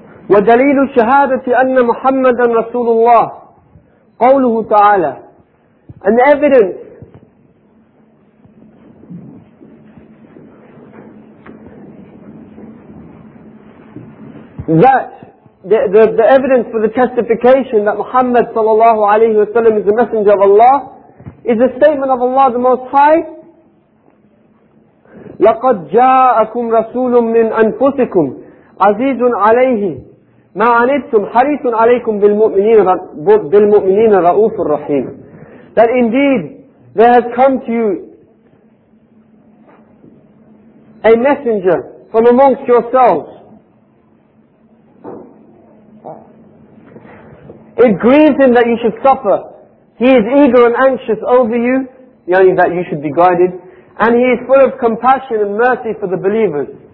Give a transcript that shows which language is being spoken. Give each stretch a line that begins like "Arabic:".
Arabic: ودليل شهادة أن محمدا رسول الله قوله تعالى.
English: An evidence that the evidence for the testification that Muhammad
Arabic: صلى الله عليه وسلم
English: is the messenger of Allah is the statement of Allah the Most High.
Arabic: لقد جاءكم رسول من أنفسكم عزيز عليه ما عنتم حريص عليكم بالمؤمنين رؤوف الرحيم.
English: That indeed there has come to you a messenger from amongst yourselves. It grieves him that you should suffer. He is eager and anxious over you, yani that you should be guided, and he is full of compassion and mercy for the believers.